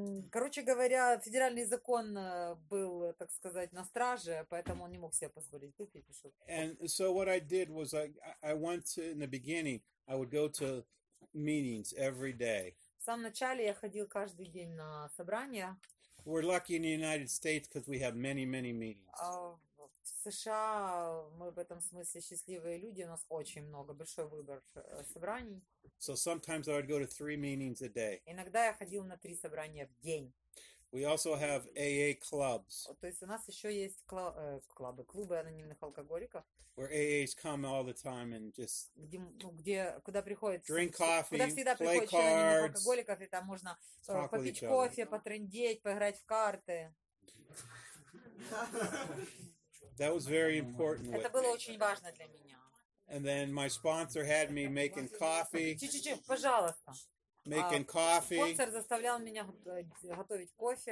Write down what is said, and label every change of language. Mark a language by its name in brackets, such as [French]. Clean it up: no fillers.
[Russian] Короче говоря, федеральный закон был, так сказать, на страже, поэтому он не мог себе позволить выпить. [English] And so what I did was I went to, in the beginning, I would go to meetings every day. [Russian] В самом начале я ходил каждый день на собрания. [English] We're lucky in the United States because we have many, many meetings. [Russian] В США мы в этом смысле счастливые люди, у нас очень много, большой выбор собраний. [English] So sometimes I would go to 3 meetings a day. [Russian] Иногда я ходил на 3 собрания в день. [English] We also have AA clubs. [Russian] То есть у нас еще есть клубы, клубы анонимных алкоголиков. [English] Where AAs come all the time and just [Russian] куда приходят, [English] drink coffee, [Russian] куда всегда [English] play cards, [Russian] алкоголиков, и там можно попить кофе, потрындеть, поиграть в карты. [English] That was very important. [Russian] Это было очень важно для меня. [English] And then my sponsor had me making coffee. [Russian] Чуть-чуть, пожалуйста. [English] Making coffee. [Russian] Спонсор заставлял меня готовить кофе.